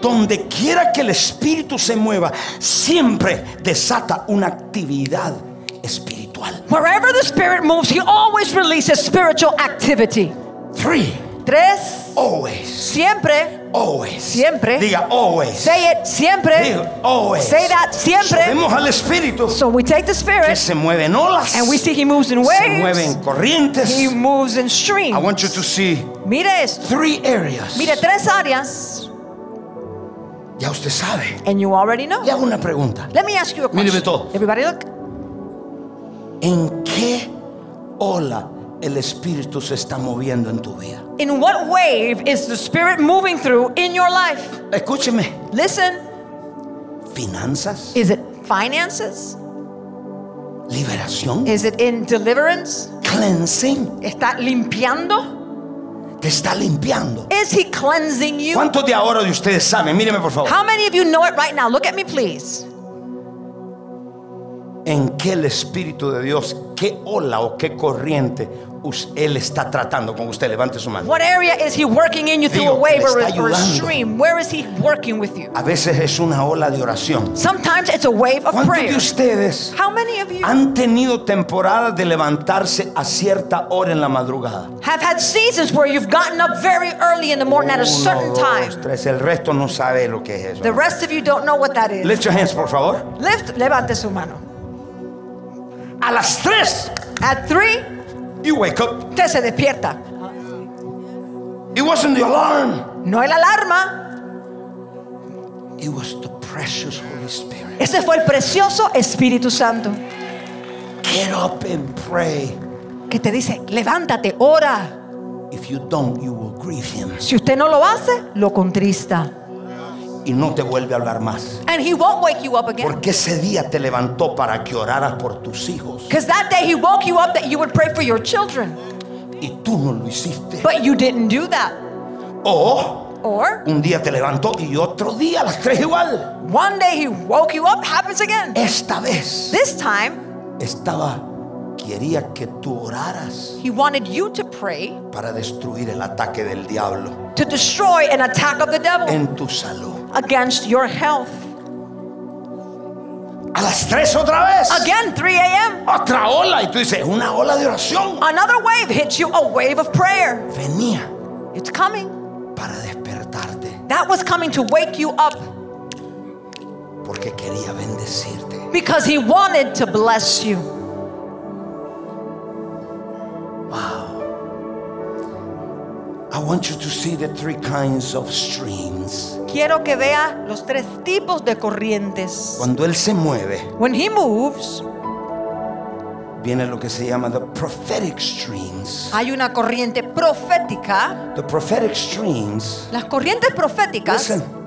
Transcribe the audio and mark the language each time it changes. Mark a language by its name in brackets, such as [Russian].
[Spanish] donde quiera que el Espíritu se mueva, siempre desata una actividad espiritual. [English] Wherever the Spirit moves, he always releases spiritual activity. Three. [Spanish] Tres. [English] Always. [Spanish] Siempre. [English] Always. [Spanish] Siempre. Diga [English] always. Say it. [Spanish] Siempre. Diga [English] always. Say that. [Spanish] Siempre. Subimos al Espíritu. [English] So we take the Spirit. [Spanish] Que se mueve en olas. [English] And we see he moves in waves. [Spanish] Se mueve en corrientes. [English] He moves in streams. I want you to see. [Spanish] Mire esto. [English] Three areas. [Spanish] Mire tres áreas. Ya usted sabe. [English] And you already know. [Spanish] Le hago una pregunta. [English] Let me ask you a question. [Spanish] Míreme todo. [English] Everybody look. [Spanish] ¿En qué ola el Espíritu se está moviendo en tu vida? [English] In what wave is the Spirit moving through in your life? [Spanish] Escúcheme. [English] Listen. [Spanish] Finanzas. [English] Is it finances? [Spanish] Liberación. [English] Is it in deliverance? Cleansing. [Spanish] ¿Está limpiando? Te está limpiando. [English] Is he cleansing you? [Spanish] ¿Cuántos de ahora de ustedes saben? Míreme por favor. [English] How many of you know it right now? Look at me, please. [Spanish] ¿En qué el Espíritu de Dios, qué ola o qué corriente él está tratando con usted? Levante su mano. [English] What area is he working in you through? [Spanish] Digo, [English] a wave or a stream? Where is he working with you? [Spanish] A veces es una ola de oración. [English] Sometimes it's a wave of [Spanish] ¿Cuántos [English] prayer? [Spanish] De ustedes, [English] how many of you [Spanish] han tenido temporadas de levantarse a cierta hora en la madrugada? [English] Have had seasons where you've gotten up very early in the morning [Spanish] Uno, [English] at a certain [Spanish] dos, [English] time. [Spanish] Tres. El resto no sabe lo que es eso. [English] The rest of you don't know what that is. Lift your hands, [Spanish] por favor. [English] Lift, [Spanish] levante su mano. A las tres. [English] At three. You wake up. [Spanish] Usted se despierta. [English] It wasn't the alarm. [Spanish] No el alarma. [English] It was the precious Holy Spirit. [Spanish] Ese fue el precioso Espíritu Santo. [English] Get up and pray. [Spanish] Que te dice, levántate, ora. [English] If you don't, you will grieve him. [Spanish] Si usted no lo hace, lo contrista. y no te vuelve a hablar más. [English] And he won't wake you up again. [Spanish] Porque ese día te levantó para que oraras por tus hijos. [English] Because that day he woke you up that you would pray for your children. [Spanish] Y tú no lo hiciste. [English] But you didn't do that. Or [Spanish] un día te levantó y otro día las tres igual. [English] One day he woke you up, happens again. [Spanish] Esta vez. [English] This time. [Spanish] Estaba quería que tú oraras. [English] He wanted you to pray. [Spanish] Para destruir el ataque del diablo. [English] To destroy an attack of the devil. [Spanish] En tu salud. [English] Against your health. [Spanish] A las 3 otra vez. [English] Again, 3 a.m. [Spanish] Otra ola y tú dices, una ola de oración. [English] Another wave hits you, a wave of prayer. [Spanish] Venía. [English] It's coming. [Spanish] Para despertarte. [English] That was coming to wake you up. [Spanish] Porque quería bendecirte. [English] Because he wanted to bless you. Wow. I want you to see the three kinds of streams. [Spanish] Quiero que vea los tres tipos de corrientes. Cuando él se mueve, [English] when he moves, [Spanish] viene lo que se llama [English] the prophetic streams. [Spanish] Hay una corriente profética. [English] The prophetic streams. [Spanish] Las corrientes proféticas. [English] Listen,